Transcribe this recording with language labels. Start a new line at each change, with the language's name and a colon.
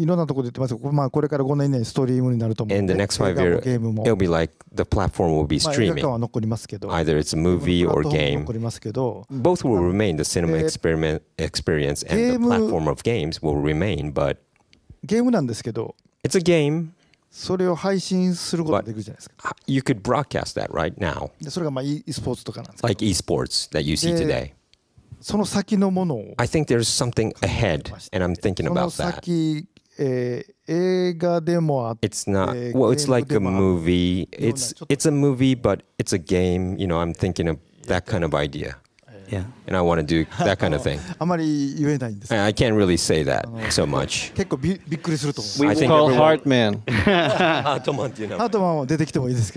English: In the next 5 years, it'll be like the platform will be streaming. Either it's a movie or game. Both will remain. The cinema experience and the platform of games will remain, but it's a game.
Japanese: それを配信することができるじゃないですか。
English: You could broadcast that right now.
Japanese: で、それがまあ e スポーツとかなんですか。
English: Like e スポーツ that you see today.
Japanese: その先のものを。
English: I think there's something ahead, and I'm thinking about that.
Japanese: その先、映画でもあって。
English: It's not. Well, it's like a movie. It's a movie, but it's a game. You know, I'm thinking of that kind of idea. Yeah. And I want to do that kind of thing. I can't really say that so much. We call Hartman. Hartman, you know.